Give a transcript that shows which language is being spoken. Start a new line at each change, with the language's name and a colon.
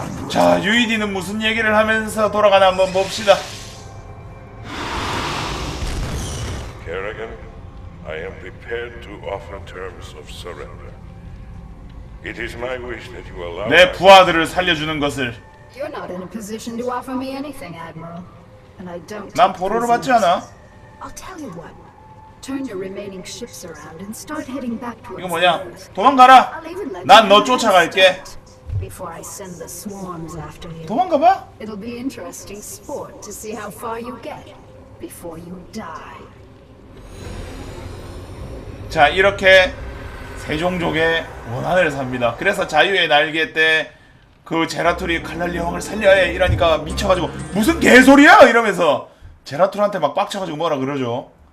Korean: 자, 유이디는 무슨 얘기를 하면서 돌아가나 한번 봅시다.
English: Kerrigan, I am prepared to offer terms of surrender. It is my wish that you allow.
Korean: 내 부하들을 살려주는 것을.
English: You're not in a position to offer me anything, Admiral. And I don't.
Korean: 난 포로로 받지 않아.
English: I'll tell you what. Turn your remaining ships around and start heading back to.
Korean: 이거 뭐냐? 도망가라. 난 너 쫓아갈게.
English: Before I send the swarms after you.
Korean: 도망가 봐.
English: It'll be interesting sport to see how far you get before you die.
Korean: 자, 이렇게 세종족의 원한을 삽니다. 그래서 자유의 날개 때 그 제라툴이 칼날리 형을 살려야 해 이러니까 미쳐가지고 무슨 개소리야 이러면서 제라툴한테 막 빡쳐가지고 뭐라 그러죠.